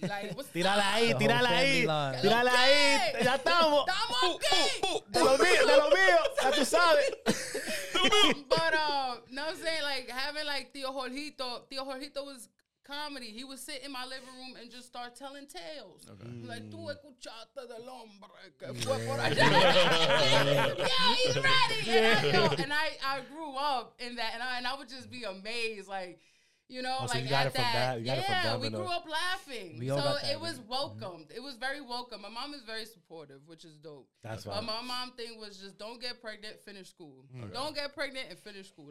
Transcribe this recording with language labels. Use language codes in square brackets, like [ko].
[en] Like, what's up? [es] Tírala ahí. Ya estamos. Estamos aquí. De lo mío. Ya tú sabes. [en] But, no, I'm saying, like, having, like, Tio Jorjito was comedy. He would sit in my living room and just start telling tales. Okay. [es] Like, tú escuchaste del hombre que fue por allá. [en] Yeah, he's ready. And I grew up in that, and I would just be amazed, like, you know, oh, so like you got it from that. That. You got yeah, it from we grew up laughing. We so that, it was welcomed. Mm-hmm. It was very welcome. My mom is very supportive, which is dope. That's why. But my mom thing was just don't get pregnant, finish school. Okay. Don't get pregnant and finish school.